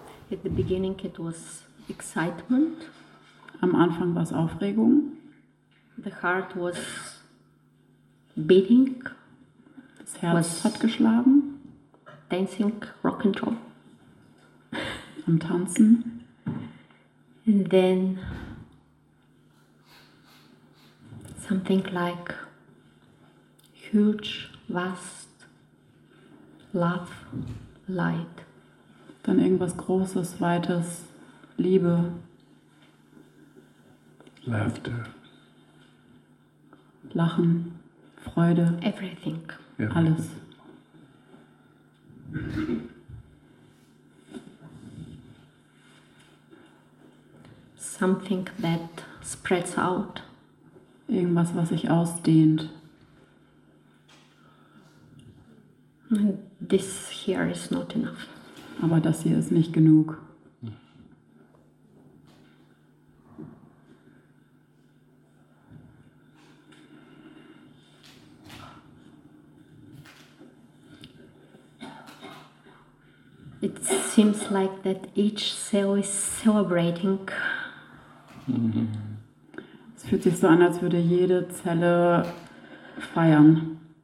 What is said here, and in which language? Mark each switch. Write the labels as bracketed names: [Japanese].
[English] At the beginning it was excitement. [German] Am Anfang war es Aufregung. [English] The heart was beating. [German] Das Herz was hat geschlagen. [English] Dancing, rock and roll. [German] Am Tanzen. [English] And then something like huge, vast love, light. [German] Dann irgendwas Großes, Weites, Liebe. [English] Laughter. [German] Lachen, Freude. [English] Everything. [German] Alles. [English] Something that spreads out. [German] Irgendwas, was sich ausdehnt. [English] this here is not enough. [German] Aber das hier ist nicht genug. [English] It seems like that each cell is celebrating. [German] Es fühlt sich so an, als würde jede Zelle feiern.